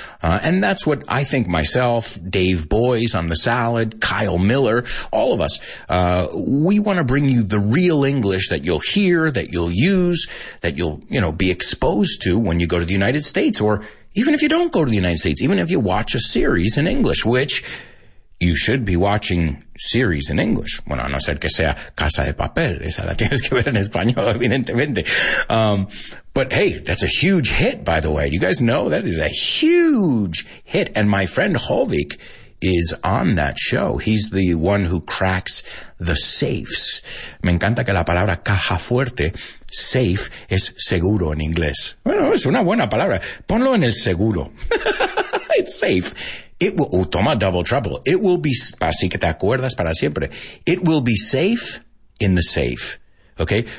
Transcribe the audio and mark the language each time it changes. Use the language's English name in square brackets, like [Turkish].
[English] And that's what I think myself, Dave Boys on the Salad, Kyle Miller, all of us, we want to bring you the real English that you'll hear, that you'll use, that you'll, you know, be exposed to when you go to the United States, or even if you don't go to the United States, even if you watch a series in English, which you should be watching series in English. [Spanish] Bueno, a no ser que sea Casa de Papel. Esa la tienes que ver en español, evidentemente. [English] But hey, that's a huge hit, by the way. You guys know that is a huge hit. And my friend Holvik is on that show. He's the one who cracks the safes. [Spanish] Me encanta que la palabra caja fuerte, safe, es seguro en inglés. Bueno, es una buena palabra. Ponlo en el seguro. [English] It's safe. It will, oh, toma double trouble. It will be, [Spanish] así que te acuerdas para siempre. [English] It will be safe in the safe. Okay?